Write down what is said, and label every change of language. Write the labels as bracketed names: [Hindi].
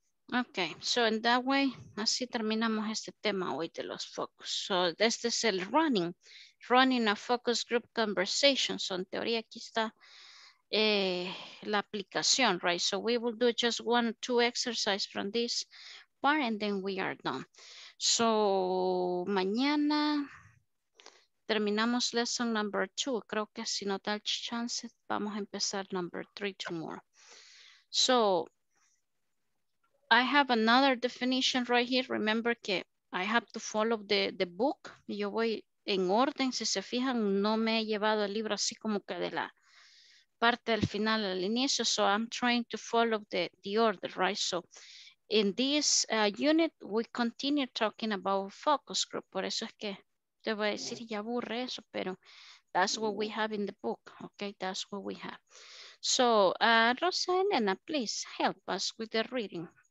[English] Okay, so in that way, [Spanish] así terminamos este tema hoy de los focus. So, este es el running. [English] running a focus group conversation. [Spanish] So en teoría aquí está la aplicación, right? [English] So we will do just one or two exercises from this part and then we are done. So [Spanish] mañana terminamos [English] lesson number two. [Spanish] Creo que si no da chance, vamos a empezar [English] number three tomorrow. So I have another definition right here. Remember que I have to follow the book. [Spanish] Yo voy en orden. Si se fijan, no me he llevado el libro así como que de la parte del final al inicio. [English] So I'm trying to follow the order, right? So in this unit, we continue talking about focus group. [Spanish] Por eso es que te voy a decir, ya aburre eso, pero [English] that's what we have in the book. Okay, that's what we have. So Rosa and Elena, please help us with the reading.